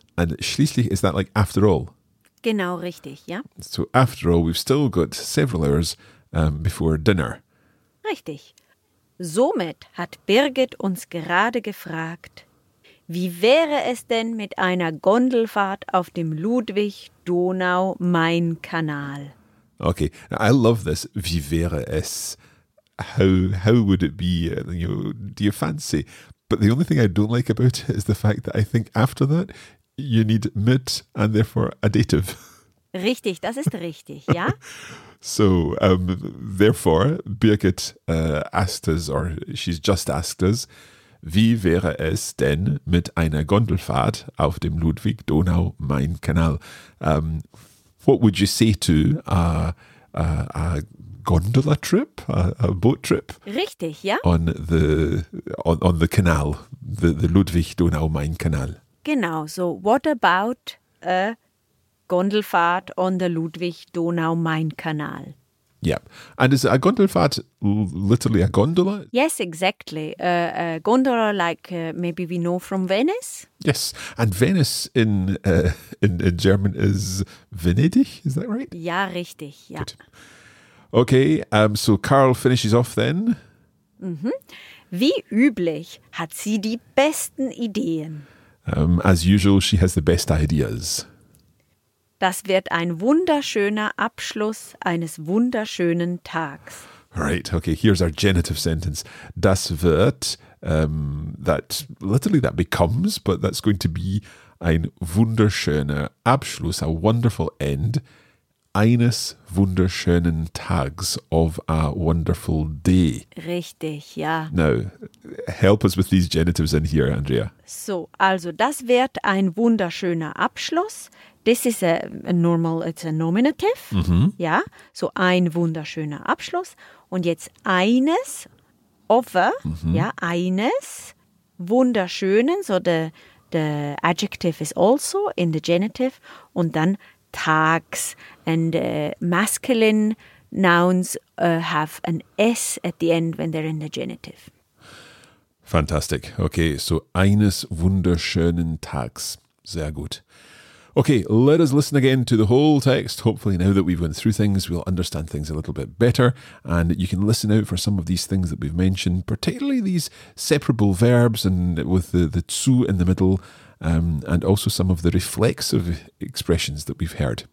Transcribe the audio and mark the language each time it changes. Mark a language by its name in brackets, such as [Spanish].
[English] And [German] schließlich, [English] is that like after all? [German] Genau, richtig, ja. [English] So after all, we've still got several hours before dinner. [German] Richtig. Somit hat Birgit uns gerade gefragt, wie wäre es denn mit einer Gondelfahrt auf dem Ludwig-Donau-Main-Kanal? [English] Okay, I love this. [German] Wie wäre es? [English] How would it be? You know, do you fancy? But the only thing I don't like about it is the fact that I think after that, you need mit and therefore a dative. [German] Richtig, das ist richtig, ja. [English] So, therefore, Birgit asked us, or she's just asked us, [German] wie wäre es denn mit einer Gondelfahrt auf dem Ludwig-Donau-Main-Kanal? [English] What would you say to a gondola trip, a boat trip? [German] Richtig, ja. [English] On the canal, the Ludwig-Donau-Main-Kanal. [German] Genau, [English] so what about a Gondelfahrt on the Ludwig-Donau-Main-Kanal? Yep. And is a Gondelfahrt literally a gondola? Yes, exactly. A gondola like maybe we know from Venice? Yes. And Venice in German is Venedig, is that right? [German] Ja, richtig, ja. [English] Good. Okay, so Carl finishes off then. Mm-hmm. [German] Wie üblich hat sie die besten Ideen. [English] As usual, she has the best ideas. [German] Das wird ein wunderschöner Abschluss eines wunderschönen Tags. [English] Right, okay, here's our genitive sentence. [German] Das wird, [English] that literally that becomes, but that's going to be [German] ein wunderschöner Abschluss, [English] a wonderful end, [German] eines wunderschönen Tags, [English] of a wonderful day. [German] Richtig, ja. [English] Now, help us with these genitives in here, Andrea. [German] So, also das wird ein wunderschöner Abschluss. [English] This is a normal, it's a nominative. Mm-hmm. [German] Ja, so ein wunderschöner Abschluss. Und jetzt eines, [English] of a, [German] mm-hmm. ja, eines wunderschönen, [English] so the adjective is also in the genitive. [German] Und dann Tags. [English] And masculine nouns have an S at the end when they're in the genitive. Fantastic. Okay, so [German] eines wunderschönen Tags. Sehr gut. [English] Okay, let us listen again to the whole text. Hopefully now that we've gone through things, we'll understand things a little bit better. And you can listen out for some of these things that we've mentioned, particularly these separable verbs and with the zu in the middle, and also some of the reflexive expressions that we've heard.